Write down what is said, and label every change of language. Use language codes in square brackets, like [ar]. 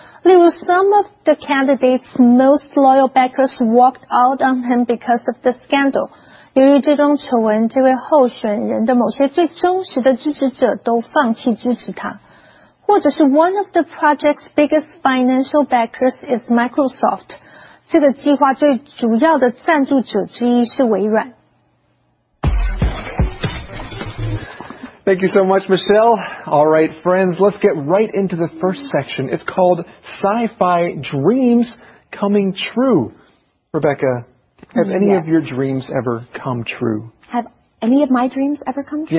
[zh] 例如 [en] Some of the candidate's most loyal backers walked out on him because of the scandal. [zh] 由于这桩丑闻，这位候选人的某些最忠实的支持者都放弃支持他。或者是 [en] one of the project's biggest financial backers is Microsoft. [zh] 这个计划最主要的赞助者之一是微软。 [en] Thank you so much, Michelle. All right, friends, let's get right into the first section. It's called Sci-Fi Dreams Coming True. Rebecca, have any of your dreams ever come true? Have any of my dreams ever come true?